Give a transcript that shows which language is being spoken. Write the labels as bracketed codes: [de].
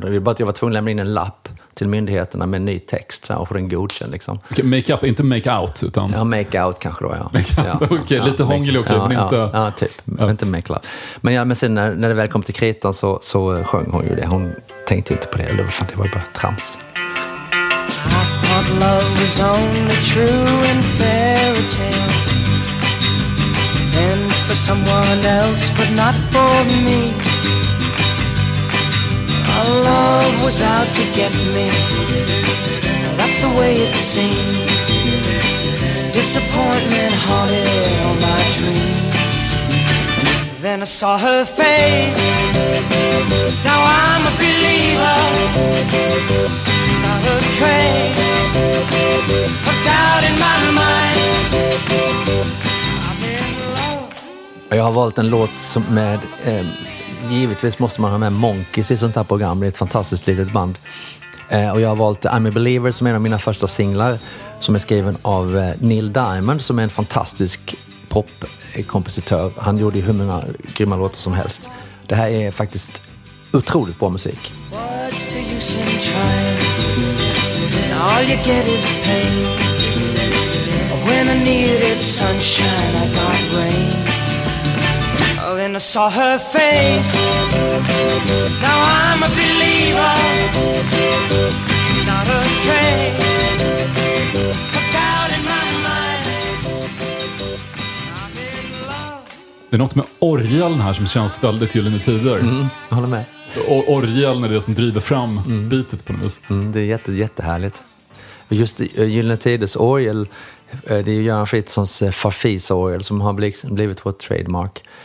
[sv] Det var bara att jag var tvungen att lämna in en lapp till myndigheterna med ny text och få den godkänd. Liksom. [en] Okay, make up, [sv] inte [en] make out? [sv] Utan... Ja, [en] make out [sv] kanske då, ja. Ja. Okej, okay, lite ja, hångel okay, ja, men inte... Ja, ja typ. Ja. [en] Inte make love. [sv] Men, ja, men sen när det väl kom till kritan så sjöng hon ju det. Hon tänkte inte på det. Eller fan, det var bara trams. [en] Love is only true in fairy tales, and for someone else, but not for me. Our love was out to get me. That's the way it seemed. Disappointment haunted all my dreams. Then I saw her face. Now I'm a believer. Not a trace of doubt in my mind. [sv] Jag har valt en låt som med givetvis måste man ha med Monkeys i sånt här program. Det är ett fantastiskt litet band. Och jag har valt I'm a Believer som är en av mina första singlar som är skriven av Neil Diamond som är en fantastisk popkompositör. Han gjorde hur många grymma låtar som helst. Det här är faktiskt otroligt bra musik. [en] What's the use in trying? All you get is pain. When I needed sunshine I got rain. Then I saw her face. Now I'm a believer. Not a trace of doubt in my mind. I'm in love. [sv] Det är något med orgeln här som känns väldigt Gyllene Tider. Mm, jag håller med. Orgeln är det som driver fram bitet på något vis. Mm, det är jättehärligt. Just Gyllene Tiders orgel, det är Göran Fritzons Farfisa orgel som har blivit vårt trademark.